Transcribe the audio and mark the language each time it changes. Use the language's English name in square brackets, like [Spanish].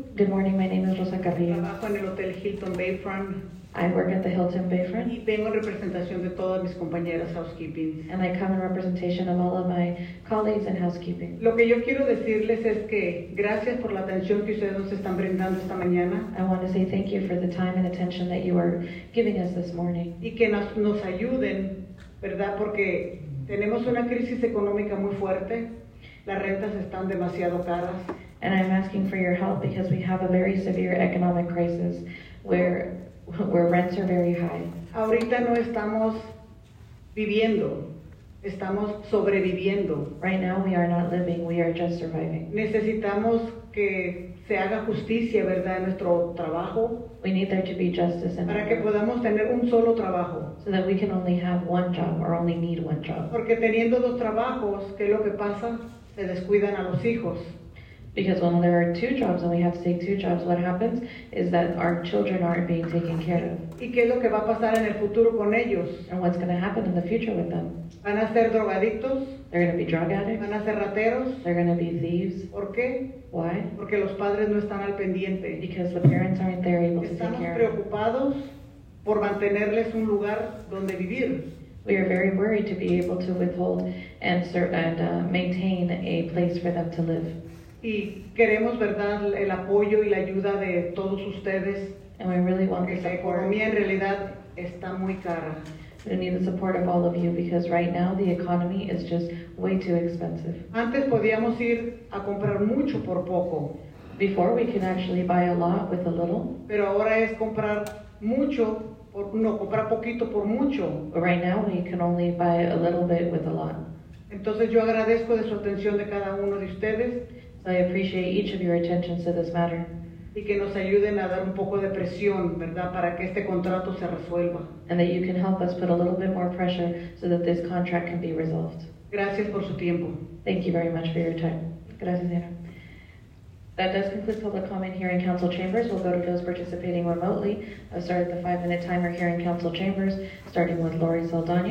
[English] Good morning, my name is Rosa Carrillo. [Spanish] Trabajo en el Hotel Hilton Bayfront. [English] I work at the Hilton Bayfront. [Spanish] Y vengo en representación de todas mis compañeras housekeeping. [English] And I come in representation of all of my colleagues in housekeeping. [Spanish] Lo que yo quiero decirles es que gracias por la atención que ustedes nos están brindando esta mañana. [English] I want to say thank you for the time and attention that you are giving us this morning. [Spanish] Y que nos ayuden, ¿verdad? Porque tenemos una crisis económica muy fuerte. Las rentas están demasiado caras. [English] And I'm asking for your help because we have a very severe economic crisis where rents are very high. [Spanish] Ahorita no estamos viviendo, estamos sobreviviendo. [English] Right now we are not living, we are just surviving. [Spanish] Necesitamos que se haga justicia, ¿verdad?, en nuestro trabajo. [English] We need there to be justice in our work. [Spanish] Para que podamos tener un solo trabajo. [English] So that we can only have one job or only need one job. [Spanish] Porque teniendo dos trabajos, ¿qué es lo que pasa? Se descuidan a los hijos. [English] Because when there are two jobs and we have to take two jobs, what happens is that our children aren't being taken care of. [Spanish] ¿Y qué es lo que va a pasar en el futuro con ellos? [English] And what's going to happen in the future with them? [Spanish] ¿Van a ser drogadictos? [English] They're going to be drug addicts. [Spanish] ¿Van a ser rateros? [English] They're going to be thieves. [Spanish] ¿Por qué? [English] Why? [Spanish] Porque los padres no están al pendiente. [English] Because the parents aren't there able [Spanish] Estamos [English] to take care of. [Spanish] Preocupados por mantenerles un lugar donde vivir. [English] We are very worried to be able to withhold and maintain a place for them to live. [Spanish] Y queremos, verdad, el apoyo y la ayuda de todos ustedes. [English] And we really want [Spanish] Porque [English] the support. [Spanish] Porque la economía en realidad está muy cara. [English] We need the support of all of you because right now the economy is just way too expensive. [Spanish] Antes podíamos ir a comprar mucho por poco. [English] Before we can actually buy a lot with a little. [Spanish] Pero ahora es comprar mucho por, no, comprar poquito por mucho. [English] But right now we can only buy a little bit with a lot. [Spanish] Entonces yo agradezco de su atención de cada uno de ustedes. [English] So I appreciate each of your attentions to this matter. [Spanish] Y que nos ayuden a dar un poco de presión, ¿verdad? Para que este contrato se resuelva. [English] And that you can help us put a little bit more pressure so that this contract can be resolved. [Spanish] Gracias por su tiempo. [English] Thank you very much for your time. [Spanish] Gracias, señora. [English] That does conclude public comment here in council chambers. We'll go to those participating remotely. I've started the 5-minute timer here in council chambers, starting with Lori Saldana.